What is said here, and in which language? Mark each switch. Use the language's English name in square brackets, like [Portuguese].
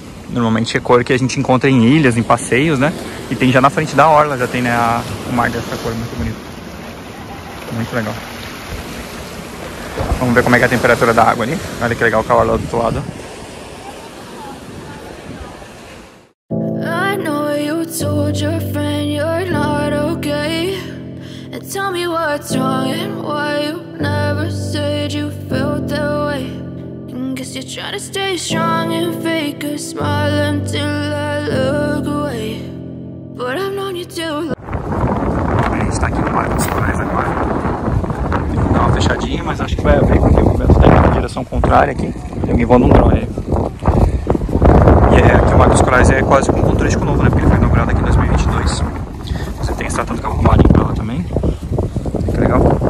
[Portuguese] Normalmente é cor que a gente encontra em ilhas, em passeios, né? E tem já na frente da orla, já tem, né, o mar dessa cor, muito bonito. Muito legal. Vamos ver como é que é a temperatura da água ali. Olha que legal com a orla do outro lado. [English] I know you told your friend you're not okay. And tell me what's wrong and why you never said you felt that way. Cause you're trying to stay strong and fake a smile until I look away. But I've known you too long. [Portuguese] A gente tá aqui no Parque dos Corais agora. Tem que dar uma fechadinha, mas acho que vai abrir porque o vento tá indo na direção contrária aqui. Tem alguém voando um drone aí. E é, aqui o Parque dos Corais é quase como um turístico novo, né? Porque ele foi inaugurado aqui em 2022. Você tem que estar tanto com a arrumadinha pra lá também. Que legal.